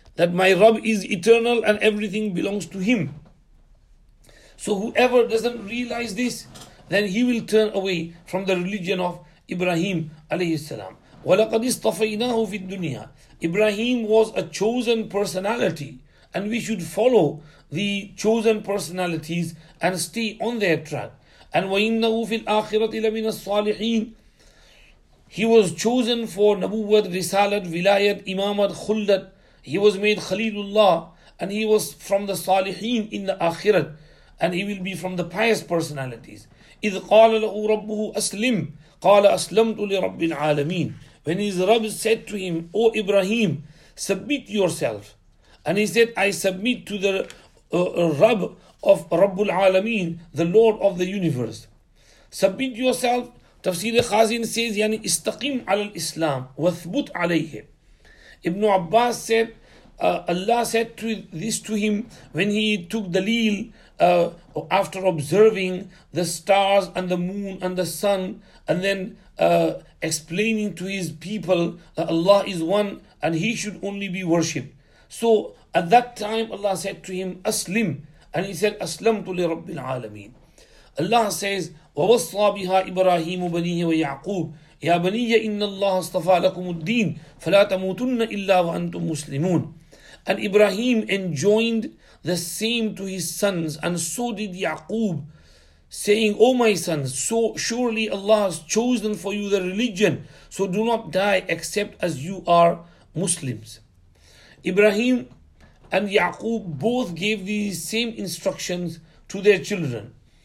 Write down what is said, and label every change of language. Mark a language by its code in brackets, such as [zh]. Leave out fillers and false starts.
[en] That my Rabb is eternal and everything belongs to him. So whoever doesn't realize this, then he will turn away from the religion of Ibrahim alayhi salam. [ar] وَلَقَدْ اصْطَفَيْنَاهُ فِي الدُّنْيَا. [en] Ibrahim was a chosen personality, and we should follow the chosen personalities and stay on their track. [ar] And وَإِنَّهُ فِي الْآخِرَةِ لَمِنَ الصَّالِحِينَ. [en] He was chosen for nabuwat, risalat, vilayat, imamat, khuldat. He was made Khalilullah, and he was from the salihin in the akhirat, and he will be from the pious personalities. [ar] إِذْ قَالَ لَهُ رَبُّهُ أَسْلِمْ قَالَ أَسْلَمْتُ لِرَبِّ الْعَالَمِينَ. [en] When his Rabb said to him, O Ibrahim, submit yourself. And he said, I submit to the Rabb of رَبُّ الْعَالَمِينَ, the Lord of the universe. [ar] Submit yourself, Tafsir Khazin says, يعني استقيم على الإسلام وثبت عليه. [en] Ibn Abbas said, Allah said this to him when he took dalil after observing the stars and the moon and the sun, and then explaining to his people that Allah is one and he should only be worshipped. So at that time Allah said to him, Aslim. And he said, Aslamtu li Rabbil Alameen. [ar] Allah says, وَوَصَّى بِهَا إِبْرَاهِيمُ بَنِيهِ وَيَعْقُوبُ يَا بَنِيَّ إِنَّ اللَّهَ اصْطَفَى لَكُمُ الدِّينَ فَلَا تَمُوتُنَّ إِلَّا وَأَنْتُمْ مُسْلِمُونَ. [en] And Ibrahim enjoined the same to his sons, and so did Yaqub, saying, O my sons, so surely Allah has chosen for you the religion, so do not die except as you are Muslims. Ibrahim and Yaqub both gave these same instructions to their children.